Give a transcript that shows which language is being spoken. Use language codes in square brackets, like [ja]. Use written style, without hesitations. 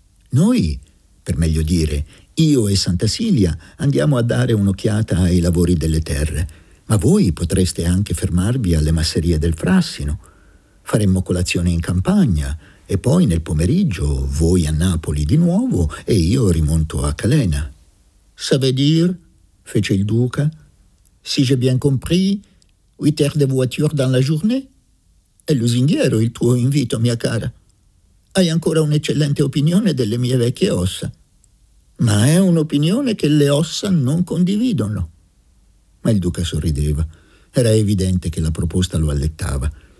[it] Noi, per meglio dire, io e Santa Silvia andiamo a dare un'occhiata ai lavori delle terre, ma voi potreste anche fermarvi alle masserie del Frassino. Faremmo colazione in campagna e poi nel pomeriggio voi a Napoli di nuovo e io rimonto a Calena». [fr] «Savez dire?» fece il duca. «Si j'ai bien compris, 8 heures de voiture dans la journée? [it] È lusinghiero il tuo invito, mia cara. Hai ancora un'eccellente opinione delle mie vecchie ossa. Ma è un'opinione che le ossa non condividono». Ma il duca sorrideva. Era evidente che la proposta lo allettava.